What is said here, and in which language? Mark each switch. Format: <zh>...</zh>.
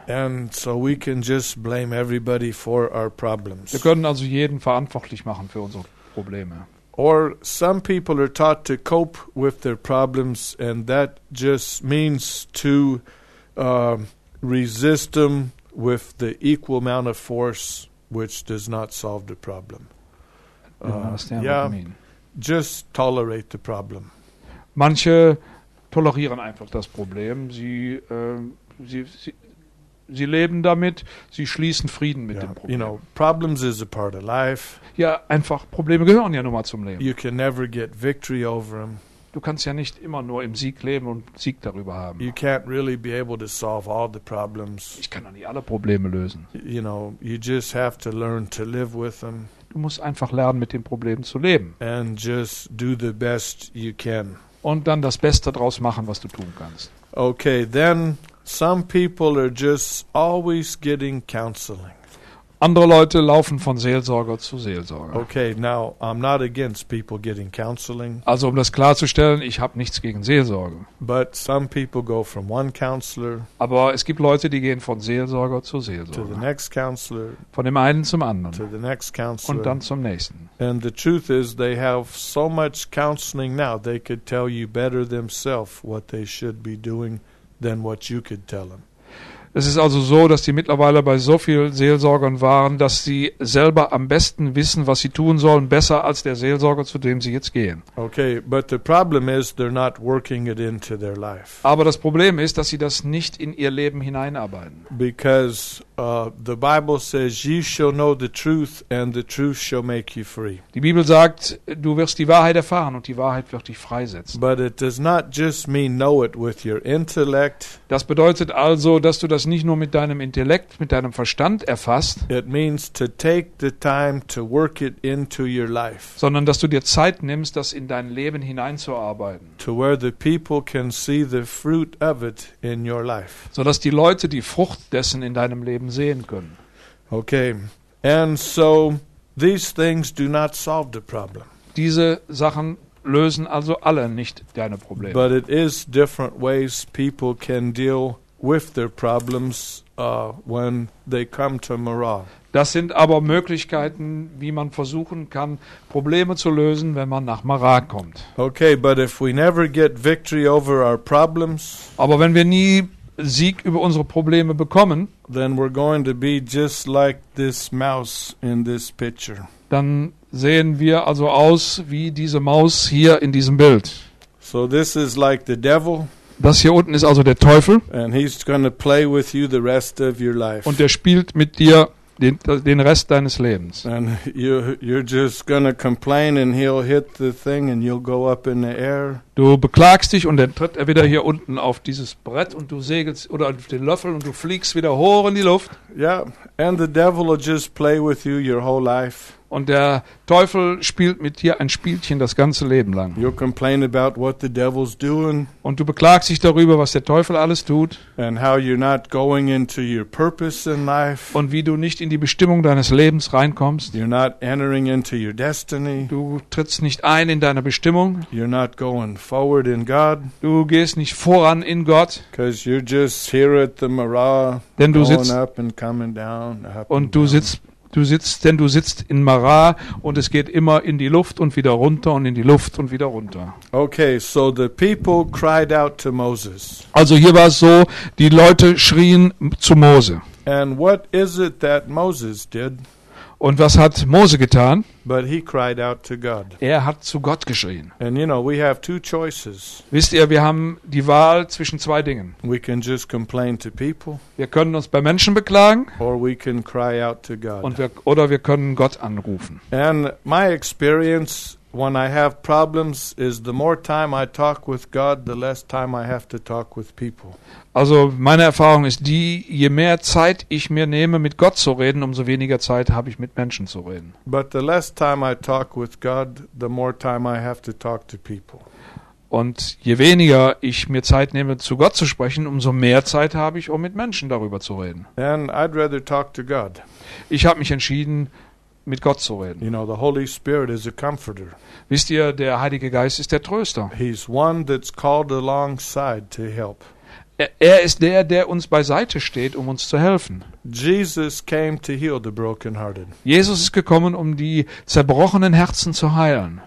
<en>And so we can just blame everybody for our problems.</en> <de>Wir können also jeden verantwortlich machen für unsere Probleme.</de> <en>Or some people are taught to cope with their problems, and that just means to resist them with the equal amount of force, which does not solve the problem. Understand what you mean? Just tolerate the problem.</en> <de>Manche tolerieren einfach das Problem. Sie leben damit, sie schließen Frieden mit dem Problem.</de> <en>You know, problems is a part of life.</en> <de>Ja, einfach, Probleme gehören ja nun mal zum Leben.</de> <en>You can never get victory over them.</en> <de>Du kannst ja nicht immer nur im Sieg leben und Sieg darüber haben.</de> <en>You can't really be able to solve all the problems.</en> <de>Ich kann doch nicht alle Probleme lösen.</de> <en>You know, you just have to learn to live with them.</en> <de>Du musst einfach lernen, mit dem Problem zu leben.</de> <en>And just do the best you can.</en> <de>Und dann das Beste draus machen, was du tun kannst.</de> <en>Okay, then some people are just always getting counseling.</en> <de>Andere Leute laufen von Seelsorger zu Seelsorger.</de> <en>Okay, now I'm not against people getting counseling.</en> <de>Also um das klarzustellen, ich habe nichts gegen Seelsorge.</de> <en>But some people go from one counselor.</en> <de>Aber es gibt Leute, die gehen von Seelsorger zu Seelsorger.</de> <en>To the next counselor.</en> <de>Von dem einen zum anderen.</de> <en>To the next counselor.</en> <de>Und dann zum nächsten.</de> <en>And the truth is, they have so much counseling now, they could tell you better themselves what they should be doing than what you could tell them.</en> <de>Es ist also so, dass die mittlerweile bei so vielen Seelsorgern waren, dass sie selber am besten wissen, was sie tun sollen, besser als der Seelsorger, zu dem sie jetzt gehen.</de> <en>Okay, but the problem is, they're not working it into their life.</en> <de>Aber das Problem ist, dass sie das nicht in ihr Leben hineinarbeiten.</de> <en>Because the Bible says, "You shall know the truth, and the truth shall make you free."</en> <de>Die Bibel sagt, du wirst die Wahrheit erfahren und die Wahrheit wird dich freisetzen.</de> <en>But it does not just mean know it with your intellect.</en> <de>Das bedeutet also, dass du das nicht nur mit deinem Intellekt, mit deinem Verstand erfasst.</de> <en>It means to take the time to work it into your life.</en> <de>Sondern dass du dir Zeit nimmst, das in dein Leben hineinzuarbeiten.</de> <en>To where the people can see the fruit of it in your life.</en> <de>So dass die Leute die Frucht dessen in deinem Leben sehen können.</de> <en>Okay. And so these things do not solve the problem.</en> <de>Diese Sachen lösen also alle nicht deine Probleme.</de> <en>But it is different ways people can deal with their problems when they come to Marah.</en> <de>Das sind aber Möglichkeiten, wie man versuchen kann, Probleme zu lösen, wenn man nach Marah kommt.</de> <en>Okay, but if we never get victory over our problems,</en> <de>aber wenn wir nie Sieg über unsere Probleme bekommen,</de> <en>then we're going to be just like this mouse in this picture.</en> <de>Dann sehen wir also aus wie diese Maus hier in diesem Bild.</de> <en>So this is like the devil.</en> <de>Das hier unten ist also der Teufel.</de> <en>And he's gonna play with you the rest of your life.</en> <de>Und der spielt mit dir den Rest deines Lebens.</de> <en>And you're just gonna complain and he'll hit the thing and you'll go up in the air.</en> <de>Du beklagst dich und dann tritt er wieder hier unten auf dieses Brett und du segelst oder auf den Löffel und du fliegst wieder hoch in die Luft.</de> <en>Yeah, and the devil will just play with you your whole life.</en> <de>Und der Teufel spielt mit dir ein Spielchen das ganze Leben lang.</de> <en>You complain about what the devil's doing.</en> <de>Und du beklagst dich darüber, was der Teufel alles tut.</de> <en>And how you're not going into your purpose in life.</en> <de>Und wie du nicht in die Bestimmung deines Lebens reinkommst.</de> <en>You're not entering into your destiny.</en> <de>Du trittst nicht ein in deine Bestimmung.</de> <en>You're not going forward in God.</en> <de>Du gehst nicht voran in Gott.</de> <en>'Cause you're just here at the Marah,</en> <de>denn du sitzt</de> <en>going up and coming down, up</en> <de>und du sitzt. Denn du sitzt in Marah und es geht immer in die Luft und wieder runter und in die Luft und wieder runter.</de> <en>Okay, so the people cried out to Moses.</en> <de>Also hier war es so, die Leute schrien zu Mose.</de> <en>And what is it that Moses did?</en> <de>Und was hat Mose getan?</de> <en>But he cried out to God.</en> <de>Er hat zu Gott geschrien.</de> <en>And you know, we have two choices.</en> <de>Wisst ihr, wir haben die Wahl zwischen zwei Dingen.</de> <en>We can just complain to people.</en> <de>Wir können uns bei Menschen beklagen.</de> <en>Or we can cry out to God.</en> <de>Oder wir können Gott anrufen.</de> <en>And my experience when I have problems is the more time I talk with God, the less time I have to talk with people.</en> <de>Also meine Erfahrung ist die, je mehr Zeit ich mir nehme, mit Gott zu reden, umso weniger Zeit habe ich, mit Menschen zu reden.</de> <en>But the less time I talk with God, the more time I have to talk to people.</en> <de>Und je weniger ich mir Zeit nehme, zu Gott zu sprechen, umso mehr Zeit habe ich, um mit Menschen darüber zu reden.</de> <en>And I'd rather talk to God.</en> <de>Ich habe mich entschieden, mit Gott zu reden.</de> <en>You know, the Holy Spirit is a comforter.</en> <de>Wisst ihr, der Heilige Geist ist der Tröster.</de> <en>He's one that's called alongside to help.</en> <de>Er ist der, der uns beiseite steht, um uns zu helfen.</de> <en>Jesus came to heal the brokenhearted.</en> <de>Jesus ist gekommen, um die zerbrochenen Herzen zu heilen.</de>